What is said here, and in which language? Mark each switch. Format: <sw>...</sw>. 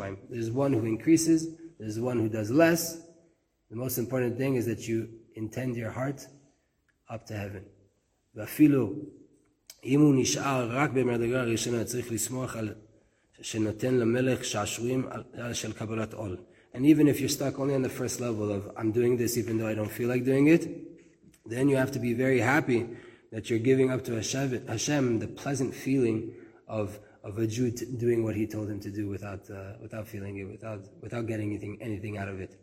<en>There's one who increases, there's one who does less. The most important thing is that you intend your heart up to heaven.</en> <he>ואפילו אם הוא נשאר רק במדרגה הראשונה, צריך לסמוך על שנותן למלך שעשורים של קבלת עול.</he> <en>And even if you're stuck only on the first level of I'm doing this even though I don't feel like doing it, then you have to be very happy that you're giving up to Hashem the pleasant feeling of a Jew doing what he told him to do without feeling it, without getting anything out of it.</en>